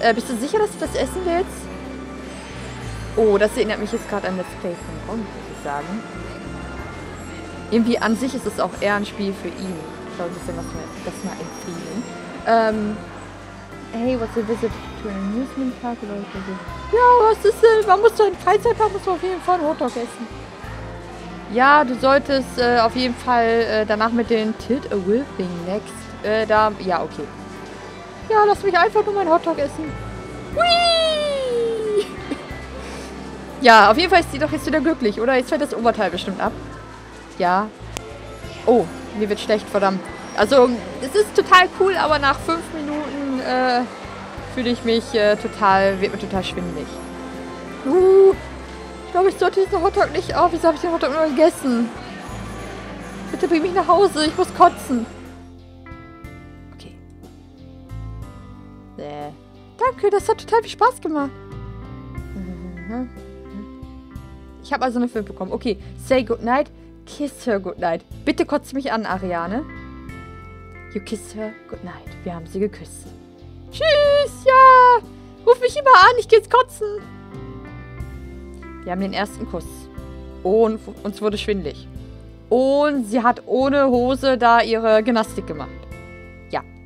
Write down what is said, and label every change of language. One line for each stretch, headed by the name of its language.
German: Bist du sicher, dass du das essen willst? Oh, das erinnert mich jetzt gerade an Let's Play von Ron, muss ich sagen. Irgendwie an sich ist es auch eher ein Spiel für ihn. Ich glaube, ich muss mir das mal empfehlen.
English: Hey, what's a visit to an amusement park?
German: Ja, was ist denn? Man muss doch in Freizeitpark muss man auf jeden Fall einen Hotdog essen. Ja, du solltest auf jeden Fall danach mit den
English: Tilt-A-Whirl-Thing next.
German: Da. Ja, okay. Ja, lass mich einfach nur meinen Hotdog essen. Ja, auf jeden Fall ist sie doch jetzt wieder glücklich, oder? Jetzt fällt das Oberteil bestimmt ab. Ja. Oh, mir wird schlecht, verdammt. Also, es ist total cool, aber nach 5 Minuten fühle ich mich total, wird mir total schwindelig. Ich glaube, ich sollte diesen Hotdog nicht auf. Wieso habe ich den Hotdog nur gegessen? Bitte bring mich nach Hause, ich muss kotzen. Okay. Nee. Danke, das hat total viel Spaß gemacht. Ich habe also eine 5 bekommen.
English: Okay, say goodnight, kiss her goodnight.
German: Bitte kotze mich an, Ariane.
English: You kiss her goodnight.
German: Wir haben sie geküsst. Tschüss, ja. Ruf mich immer an, ich geh jetzt kotzen. Wir haben den ersten Kuss. Und uns wurde schwindelig. Und sie hat ohne Hose da ihre Gymnastik gemacht. Ja.